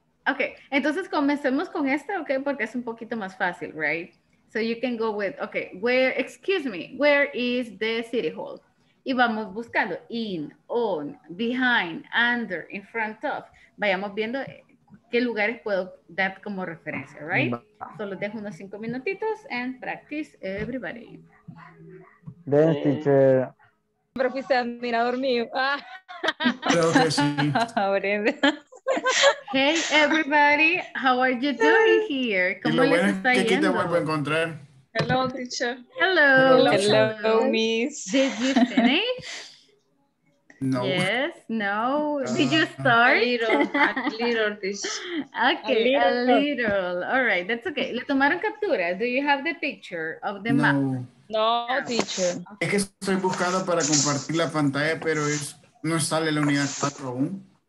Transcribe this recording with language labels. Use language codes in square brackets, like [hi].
[es] Okay, entonces comencemos con esta, okay, porque es un poquito más fácil, [en] right? So you can go with, okay, where is the city hall? [es] Y vamos buscando [en] in, on, behind, under, in front of. [es] Vayamos viendo qué lugares puedo dar como referencia, [en] right? [es] So los dejo unos 5 minutitos [en] and practice everybody. Dance teacher. [es] siempre fuiste admirador mío. Ah. Creo que sí. [en] Hey everybody, how are you doing here? [es] ¿Cómo les está yendo? ¿Qué te vuelvo a encontrar? [en] Hello teacher. Hello. Hello, hello miss. Did you finish? No. Yes, no. Did you start? A little teacher. Okay, a little. All right, that's okay. [es] ¿Le tomaron captura? [en] Do you have the picture of the map? No, teacher. [es] Es que estoy buscando para compartir la pantalla, pero no sale la unidad 4 aún.